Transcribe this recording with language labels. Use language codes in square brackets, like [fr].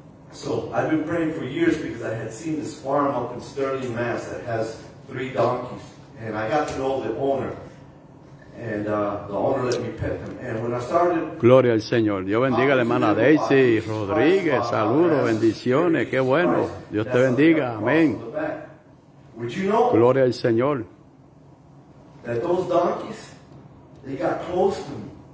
[en] So I've been praying for years because I had seen this farm up in Sterling, Mass. That has three donkeys, and I got to know the owner, and the owner let me pet them. And when I started, [es] gloria al Señor, Dios bendiga la hermana Daisy Rodríguez, saludos, bendiciones, qué bueno, Dios te bendiga, amén. [en] Would you know, [es] gloria al Señor, [en] that those donkeys, they got close to me.